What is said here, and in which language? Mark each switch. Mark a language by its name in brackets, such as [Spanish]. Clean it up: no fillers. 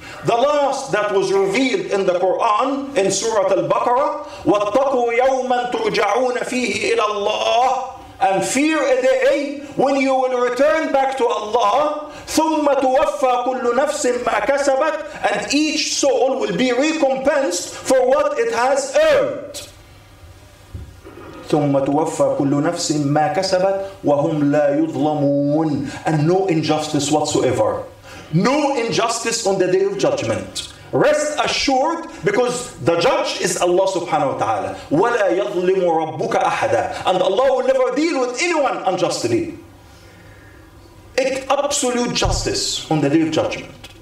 [English] The last that was revealed in the Quran in Surah Al-Baqarah, [Arabic] وَاتَّقُوا يَوْمًا تُرْجَعُونَ فِيهِ إِلَى اللَّهِ. [English] And fear a day when you will return back to Allah, [Arabic] ثم توفى كل نفس ما كسبت, [English] and each soul will be recompensed for what it has earned. [Arabic] ثم توفى كل نفس ما كسبت وهم لا يظلمون, [English] and no injustice whatsoever. No injustice on the day of judgment. Rest assured, because the judge is Allah subhanahu wa ta'ala. [Arabic] وَلَا يَظْلِمُ رَبُّكَ أَحَدًا. [English] And Allah will never deal with anyone unjustly. It's absolute justice on the day of judgment.